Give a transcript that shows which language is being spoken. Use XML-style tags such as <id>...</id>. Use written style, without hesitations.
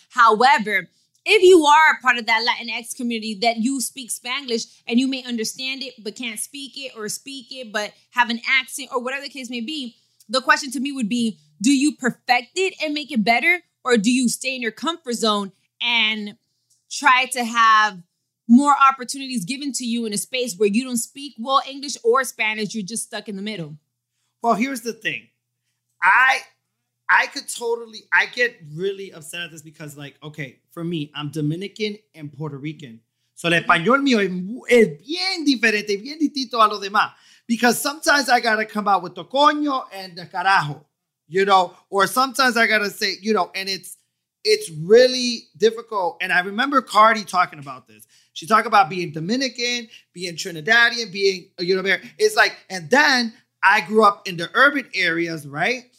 <en>However, if you are a part of that Latinx community that you speak Spanglish and you may understand it but can't speak it or speak it but have an accent or whatever the case may be, the question to me would be, do you perfect it and make it better, or do you stay in your comfort zone and try to have more opportunities given to you in a space where you don't speak well English or Spanish, you're just stuck in the middle? Well, here's the thing. I get really upset at this because, like, okay, for me, I'm Dominican and Puerto Rican.</en> <es>So el español mío es bien diferente, bien distinto a los demás.</es> <en>Because sometimes I got to come out with the coño and the carajo, you know, or sometimes I got to say, you know, and it's really difficult. And I remember Cardi talking about this. She talked about being Dominican, being Trinidadian, being, you know, American. It's like, and then I grew up in the urban areas, right?</en>